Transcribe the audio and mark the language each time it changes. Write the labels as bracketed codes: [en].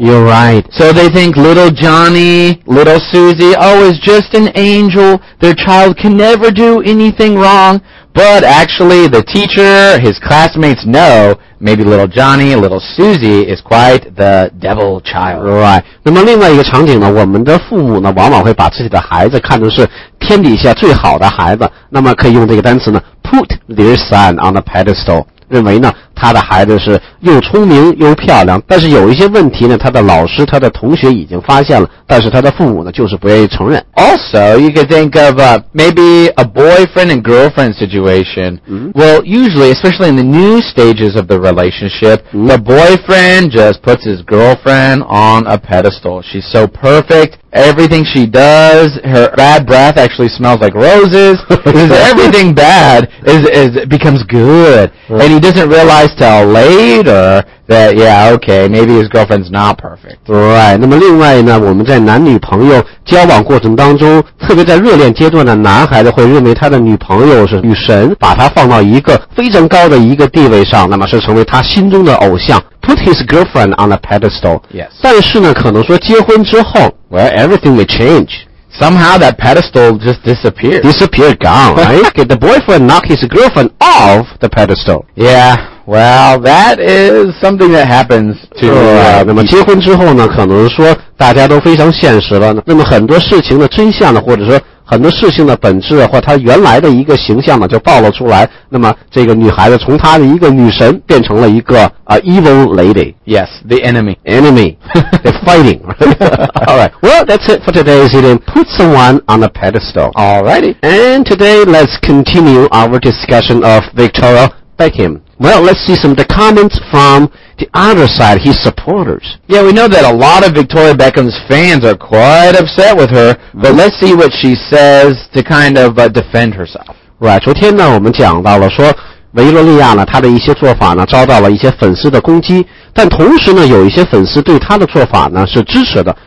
[en] You're right. So they think little Johnny, little Susie, oh, is just an angel. Their child can never do anything wrong. But actually, the teacher, his classmates know, maybe little Johnny, little Susie is quite the devil child. Right. [zh] 那么另外一个场景呢，我们的父母呢，往往会把自己的孩子看成是天底下最好的孩子。那么可以用这个单词呢 ， [en] put their son on a pedestal， [zh] 认为呢，他的孩子是又聪明又漂亮。但是有一些问题呢，他的老师、他的同学已经发现了，但是他的父母呢，就是不愿意承认。 [en] Also, you could think of maybe a boyfriend and girlfriend situation.、 Mm-hmm. Well, usually, especially in the new stages of the relationship,、 mm-hmm. the boyfriend just puts his girlfriend on a pedestal. She's so perfect. Everything she does, her bad breath actually smells like roses. Everything bad becomes good.、 Mm-hmm. And he doesn't realize till later that, yeah, okay, maybe his girlfriend's not perfect. Right. [zh] 那么另外呢，我们在男女朋友交往过程当中，特别在热恋阶段的男孩子会认为他的女朋友是女神，把他放到一个非常高的一个地位上，那么是成为他心中的偶像。 [en] Put his girlfriend on a pedestal. Yes. [zh] 但是呢，可能说结婚之后 [en] well, everything may change. Somehow that pedestal just disappeared. Disappeared, gone, right? The boyfriend knocked his girlfriend off the pedestal. Yeah, well, that is something that happens to you. [zh] 那么结婚之后呢，可能说大家都非常现实了。那么很多事情的真相呢，或者说很多事情的本质或他原来的一个形象嘛，就暴露出来。那么这个女孩子从她的一个女神变成了一个 [en] evil lady. Yes, the enemy. Enemy. They're fighting. Alright. Well, that's it for today's idiom. Put someone on a pedestal. Alrighty. And today, let's continue our discussion of Victoria Beckham. Well, let's see some of the comments from the other side, his supporters. Yeah, we know that a lot of Victoria Beckham's fans are quite upset with her, but let's see what she says to kind of defend herself. Right, [zh] 昨天呢，我们讲到了说维罗利亚呢，她的一些做法呢，遭到了一些粉丝的攻击，但同时呢，有一些粉丝对她的做法呢是支持的。